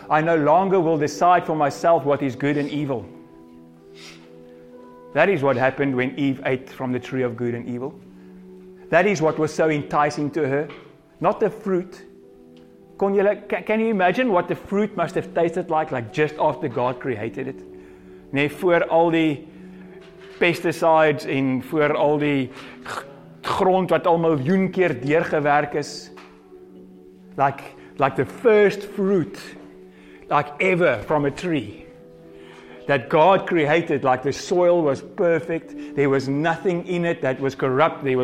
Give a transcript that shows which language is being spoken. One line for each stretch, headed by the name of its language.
English: I no longer will decide for myself what is good and evil. That is what happened when Eve ate from the tree of good and evil. That is what was so enticing to her. Not the fruit. Can you imagine what the fruit must have tasted like just after God created it?
Dutch: Nee, voor al die pesticides en voor al die grond wat al miljoen keer deurgewerk is.
English: Like the first fruit, like ever from a tree. That God created, like the soil was perfect. There was nothing in it that was corrupt.